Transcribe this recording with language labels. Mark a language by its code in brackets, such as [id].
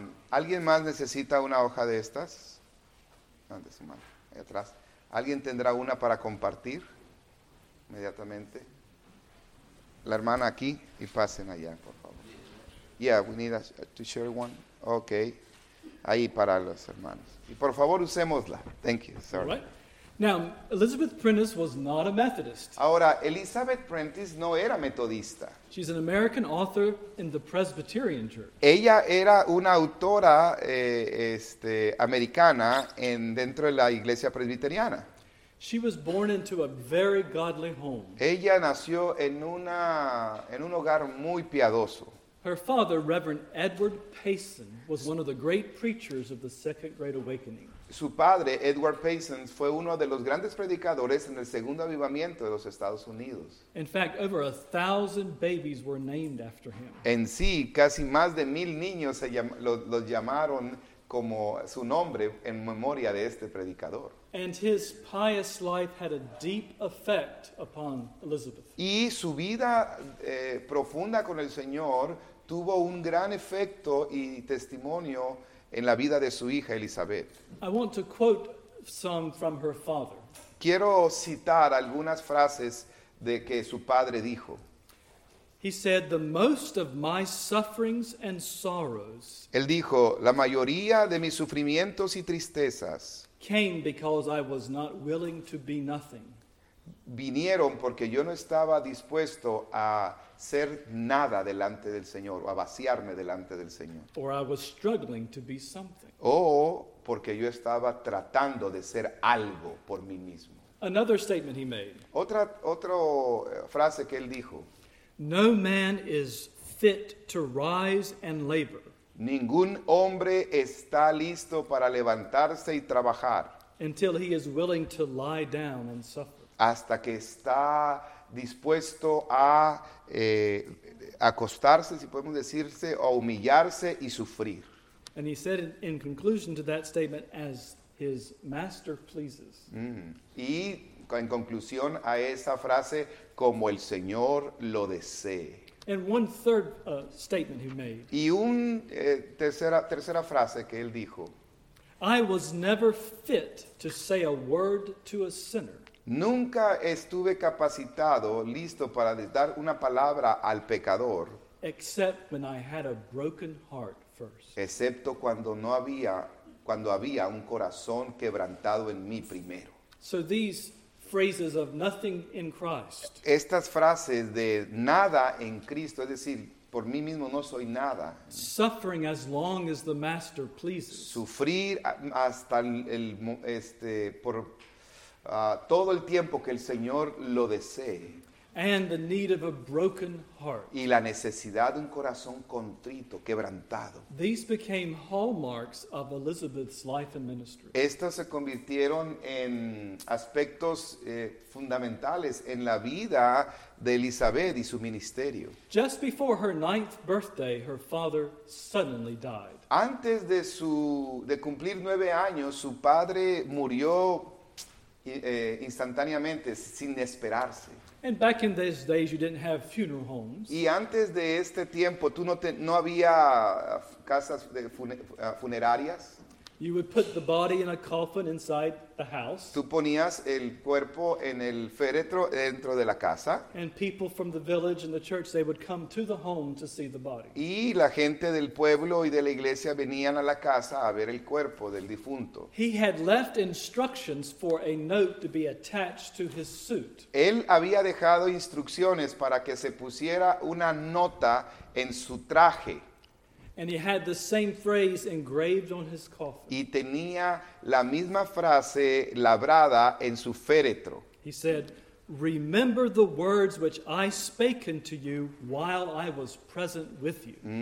[es] ¿Alguien más necesita una hoja de estas? ¿Dónde su mano? Ahí atrás. ¿Alguien tendrá una para compartir? Inmediatamente. La hermana aquí y pasen allá, por favor. [en] Yeah, we need to share one. [es] Okay. Ahí para los hermanos. Y por favor, usémosla. [en] Thank you, sir. All right. Now, Elizabeth Prentice was not a Methodist. [es] Ahora, Elizabeth Prentice no era metodista. [en] She's an American author in the Presbyterian Church. [es] Ella era una autora americana dentro de la iglesia presbiteriana. [en] She was born into a very godly home. [es] Ella nació en un hogar muy piadoso. [en] Her father, Reverend Edward Payson, was one of the great preachers of the Second Great Awakening. [es] Su padre, Edward Payson, fue uno de los grandes predicadores en el segundo avivamiento de los Estados Unidos. [en] In fact, over 1,000 babies were named after him. [es] En sí, casi más de 1,000 niños los llamaron como su nombre en memoria de este predicador. [en] And his pious life had a deep effect upon Elizabeth. [es] Y su vida profunda con el Señor tuvo un gran efecto y testimonio en la vida de su hija Elizabeth. [en] I want to quote some from her father. [es] Quiero citar algunas frases de que su padre dijo. [en] He said, "The most of my sufferings and sorrows." [es] Él dijo, "La mayoría de mis sufrimientos y tristezas [en] came because I was not willing to be nothing." [es] Vinieron porque yo no estaba dispuesto a ser nada delante del Señor o a vaciarme delante del Señor. [en] Or I was struggling to be something. [es] O porque yo estaba tratando de ser algo por mí mismo. [en] Another statement he made. [es] Otra frase que él dijo. [en] No man is fit to rise and labor. [es] Ningún hombre está listo para levantarse y trabajar. [en] Until he is willing to lie down and suffer. [es] Hasta que está dispuesto a acostarse, si podemos decirse, o humillarse y sufrir. [en] And he said in conclusion to that statement, as his master pleases. [es] Y en conclusión a esa frase, como el Señor lo desee. [en] And one third statement he made. [es] Y un tercera frase que él dijo. [en] I was never fit to say a word to a sinner. [es] Nunca estuve capacitado, listo para dar una palabra al pecador. [en] Except when I had a broken heart. first. [es] Excepto cuando no había, cuando había un corazón quebrantado en mí primero. [en] So these phrases of nothing in Christ. [es] Estas frases de nada en Cristo, es decir, por mí mismo no soy nada. [en] Suffering as long as the master pleases. [es] Sufrir hasta el este por todo el tiempo que el Señor lo desee. [en] And the need of a broken heart. [es] Y la necesidad de un corazón contrito, quebrantado. [en] These became hallmarks of Elizabeth's life and ministry. [es] Estas se convirtieron en aspectos fundamentales en la vida de Elizabeth y su ministerio. [en] Just before her ninth birthday, her father suddenly died. [es] Antes de su de cumplir 9 años, su padre murió instantáneamente, sin esperarse. [en] And back in those days, you didn't have funeral homes. [es] Y antes de este tiempo, tú no había casas de funerarias. [en] You would put the body in a coffin inside the house. [es] Tú ponías el cuerpo en el féretro dentro de la casa. [en] And people from the village and the church, they would come to the home to see the body. [es] Y la gente del pueblo y de la iglesia venían a la casa a ver el cuerpo del difunto. [en] He had left instructions for a note to be attached to his suit. [es] Él había dejado instrucciones para que se pusiera una nota en su traje. [en] And he had the same phrase engraved on his coffin. [es] Y tenía la misma frase labrada en su féretro. [en] He said, "Remember the words which I spake unto you while I was present with you."